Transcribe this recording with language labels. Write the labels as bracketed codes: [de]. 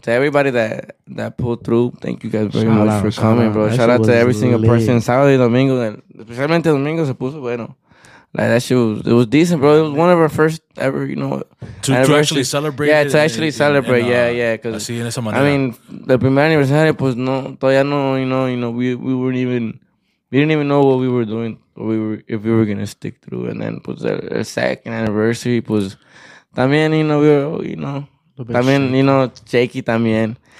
[en] To everybody that pulled through, thank you guys very much for coming, bro. Shout out to every single person. [es] Sábado y domingo, especialmente domingo se puso bueno. [en] Like, that shit was decent, bro. It was one of our first ever, you know. To actually celebrate. I mean, the [es] primer aniversario, pues, no, todavía no, [en] you know, we weren't even, we didn't even know what we were doing, if we were going to stick through. And then, pues, the second anniversary, pues, también, you know, we were, you know, también, shit. You know, shaky también.